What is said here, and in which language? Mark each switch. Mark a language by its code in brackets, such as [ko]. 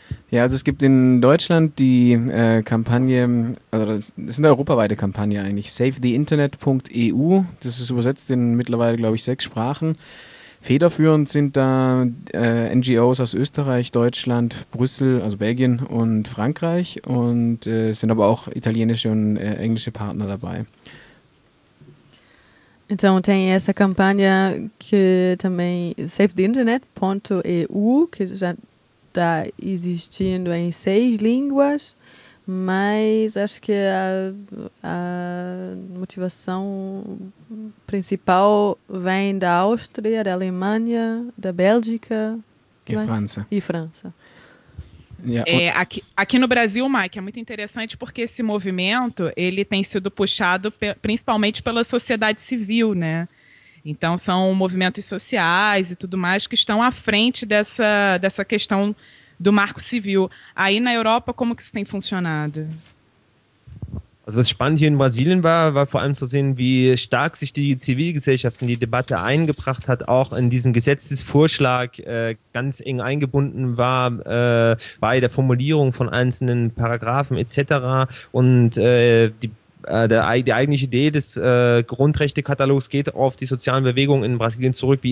[de] Ja, also es gibt in Deutschland die Kampagne, also das ist eine europaweite Kampagne eigentlich, savetheinternet.eu, das ist übersetzt in mittlerweile, glaube ich, 6 Sprachen. Federführend sind da NGOs aus Österreich, Deutschland, Brüssel, also Belgien und Frankreich und sind aber auch italienische und englische Partner dabei. [pt] Então tem essa campanha que também savetheinternet.eu, que já está existindo em 6 línguas, mas acho que a motivação principal vem da Áustria, da Alemanha, da Bélgica e França. É, aqui no Brasil, Mike, é muito interessante porque esse movimento ele tem sido puxado principalmente pela sociedade civil, né? Então são movimentos sociais e tudo mais que estão à frente dessa questão do Marco Civil. Aí na Europa, como que isso tem funcionado? [de] Also was spannend hier in Brasilien war, war vor allem zu sehen, wie stark sich die Zivilgesellschaft in die Debatte eingebracht hat, auch in diesen Gesetzesvorschlag ganz eng eingebunden war bei der Formulierung von einzelnen Paragraphen etc. Und die eigentliche Idee des Grundrechtekatalogs geht auf die sozialen Bewegungen in Brasilien zurück.